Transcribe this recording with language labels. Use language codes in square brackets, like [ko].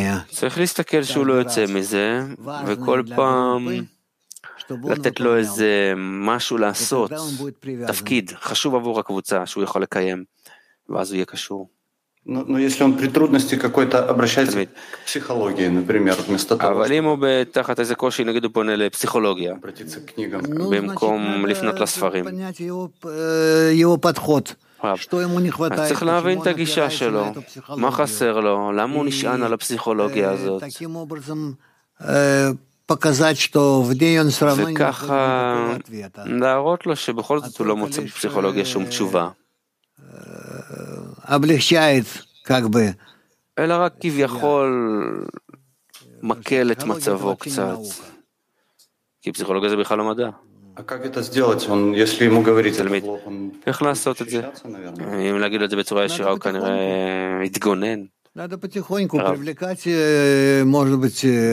[he] צריך להסתכל שהוא לא יוצא מזה, וכל פעם לתת לו איזה משהו לעשות, תפקיד חשוב עבור הקבוצה שהוא יכול לקיים, ואז הוא יהיה קשור. [ru] Но если он при трудности какой-то обращается к психологии, например, вместо того, [he] אבל אם הוא בתחת איזה קושי, נגיד הוא פונה לפסיכולוגיה, [ru] обратиться к книгам, [he] במקום לפנות לספרים. [ru] Понять его подход. Что ему не хватает? [he] אז צריך להבין את הגישה שלו. מה חסר לו? למה הוא נשען על הפסיכולוגיה הזאת? [ru] Таким образом показать, что в ней он всё равно не получает ответа. [he] להראות לו שבכל זאת הוא לא מוצא בפסיכולוגיה שום תשובה. [ru] облегчает как бы [he] אלא רק כביכול מקל את מצבו קצת כי פסיכולוגיה זה בכלל לא מדע [ru] как это сделать он если ему говорить [he] תלמיד איך לעשות את זה אם להגיד את זה בצורה ישירה הוא כנראה התגונן [ru] надо потихоньку привлекать может быть